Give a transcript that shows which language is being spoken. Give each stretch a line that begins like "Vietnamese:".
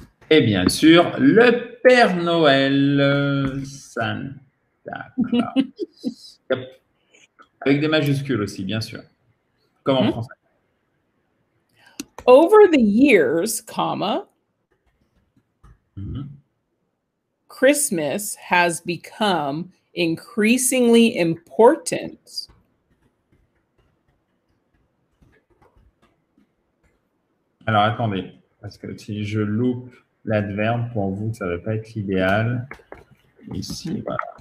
French: Et bien sûr, le Père Noël, Santa Claus. Yep. Avec des majuscules aussi, bien sûr. Comme en français.
English: Over the years, comma, Christmas has become increasingly important.
French: Alors, attendez, parce que si je loupe l'adverbe, pour vous, ça ne va pas être l'idéal. Ici, voilà.